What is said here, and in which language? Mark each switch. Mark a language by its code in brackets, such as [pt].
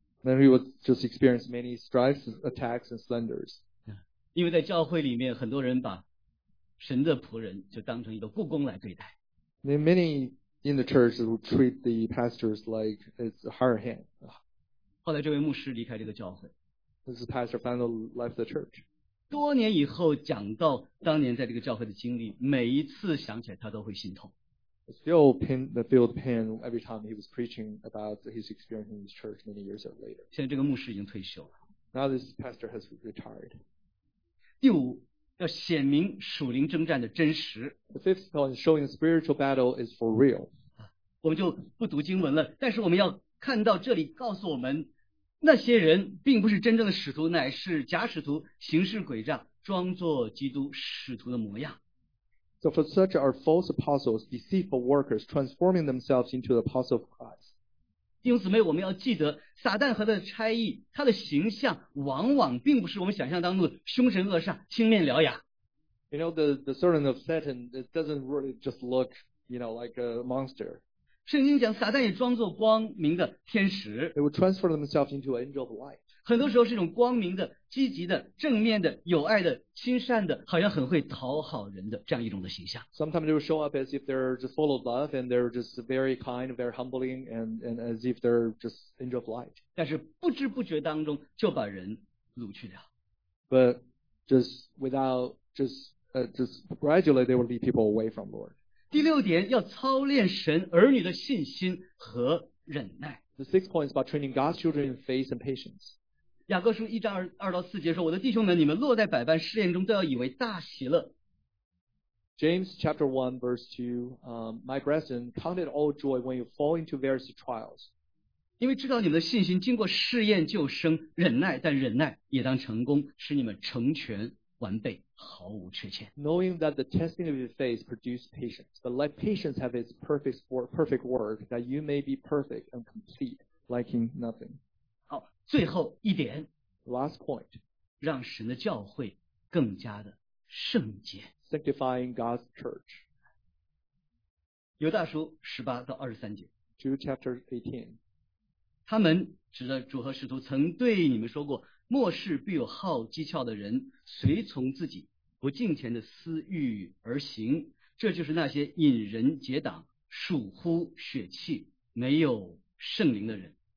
[en] Then he would just experience many strifes, attacks, and slanders. [zh] 因为在教会里面，很多人把神的仆人就当成一个雇工来对待。 [en] Then many in the church would treat the pastors like it's a hired hand. [zh] 后来这位牧师离开这个教会。 [en] This is Pastor Fano left the church. [zh] 多年以后讲到当年在这个教会的经历，每一次想起来他都会心痛。 [en] Still feel the pain every time he was preaching about his experience in his church many years later. [zh] 现在这个牧师已经退休了。 [en] Now this pastor has retired. [zh] 第五，要显明属灵征战的真实。 [en] The fifth point, showing spiritual battle is for real. [zh] 我们就不读经文了，但是我们要看到这里告诉我们。那些人并不是真正的使徒，乃是假使徒，行事诡诈，装作基督使徒的模样。 [en] So for such are false apostles, deceitful workers, transforming themselves into the apostle of Christ. [zh] 弟兄姊妹，我们要记得，撒旦和他的差役，他的形象往往并不是我们想象当中的凶神恶煞、青面獠牙。 [en] You know the servant of Satan, it doesn't really just look, like a monster. [zh] 圣经讲撒旦也装作光明的天使 [en] They will transfer themselves into an angel of light [zh] 很多时候是一种光明的积极的正面的有爱的亲善的好像很会讨好人的这样一种的形象 [en] Sometimes they will show up as if they're just full of love and they're just very kind, very humbling and as if they're just angel of light [zh] 但是不知不觉当中就把人掳去了 [en] But just gradually they will lead people away from the Lord [zh] 第六点要操练神儿女的信心和忍耐。 [en] The sixth point is about training God's children in faith and patience. [zh] 雅各书一章二到四节说，我的弟兄们，你们落在百般试炼中都要以为大喜乐。 [en] James chapter 1 verse 2, my brethren, count it all joy when you fall into various trials. [zh] 因为知道你们的信心经过试验就生忍耐，但忍耐也当成功，使你们成全完备，毫无缺欠。 [en] Knowing that the testing of your faith produces patience, but let patience have its perfect work, that you may be perfect and complete, lacking nothing. [zh] 好，最后一点。 [en] Last point. [zh] 让神的教会更加的圣洁。 [en] Sanctifying God's church. [zh] 犹大书十八到二十三节。 [en] Jude chapter 18. [zh] 他们指着主和使徒曾对你们说过，末世必有好讥诮的人，随从自己不敬虔的私欲而行，这就是那些引人结党、属乎血气、没有圣灵的人。